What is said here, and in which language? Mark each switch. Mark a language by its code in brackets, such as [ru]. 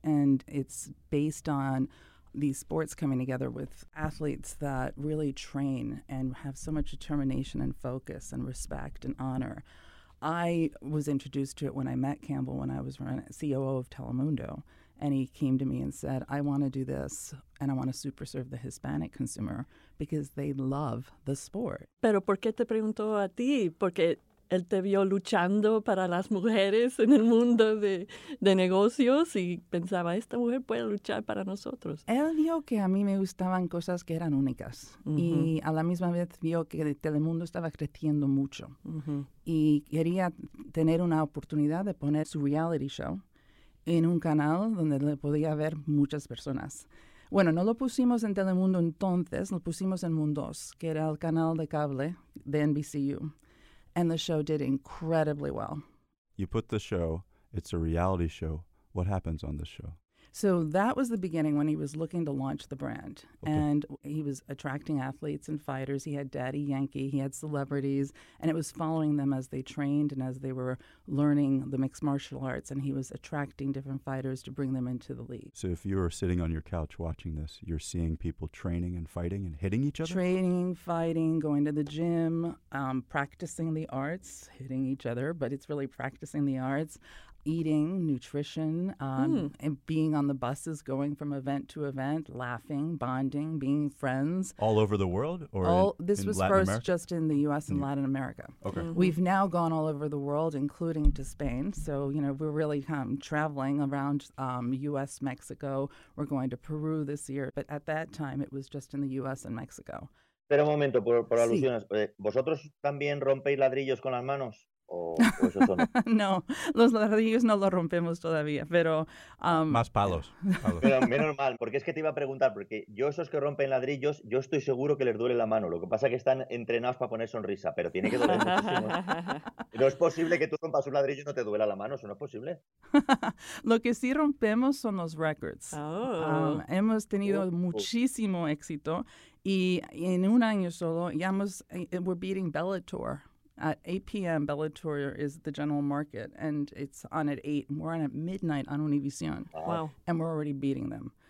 [en] And it's based on these sports coming together with athletes that really train and have so much determination and focus and respect and honor. I was introduced to it when I met Campbell when I was COO of Telemundo. And he came to me and said, I want to do this, and I want to super serve the Hispanic consumer because they love the sport. [es] Pero ¿por qué te preguntó a ti? Porque... Él te vio luchando para las mujeres en el mundo de negocios y pensaba, esta mujer puede luchar para nosotros. Él vio que a mí me gustaban cosas que eran únicas. Uh-huh. Y a la misma vez vio que Telemundo estaba creciendo mucho. Uh-huh. Y quería tener una oportunidad de poner su reality show en un canal donde le podía ver muchas personas. Bueno, no lo pusimos en Telemundo entonces, lo pusimos en Mundos, que era el canal de cable de NBCU. [en] And the show did incredibly well. You put the show, it's a reality show. What happens on the show? So that was the beginning when he was looking to launch the brand. Okay. And he was attracting athletes and fighters. He had Daddy Yankee, he had celebrities, and it was following them as they trained and as they were learning the mixed martial arts, and he was attracting different fighters to bring them into the league. So if you were sitting on your couch watching this, you're seeing people training and fighting and hitting each other? Training, fighting, going to the gym, practicing the arts, hitting each other, but it's really practicing the arts. Eating, nutrition, and being on the buses, going from event to event, laughing, bonding, being friends. All over the world? Just in the U.S. and Latin America. Okay. Mm-hmm. We've now gone all over the world, including to Spain. So, you know, we're really traveling around U.S., Mexico. We're going to Peru this year. But at that time, it was just in the U.S. and Mexico. [es] Pero un momento, por alusiones. Sí. ¿Vosotros también rompéis ladrillos con las manos? No, los ladrillos no los rompemos todavía, pero... Más palos. Pero menos mal, porque es que te iba a preguntar, porque yo esos que rompen ladrillos, yo estoy seguro que les duele la mano, lo que pasa es que están entrenados para poner sonrisa, pero tiene que doler muchísimo. ¿No es posible que tú rompas un ladrillo y no te duela la mano? ¿Eso no es posible? Lo que sí rompemos son los records. Oh. Hemos tenido muchísimo éxito, y en un año solo, [en] we're beating Bellator. At 8 p.m., Bellator is the general market, and it's on at 8, and we're on at midnight on Univision. Wow. And we're already beating them.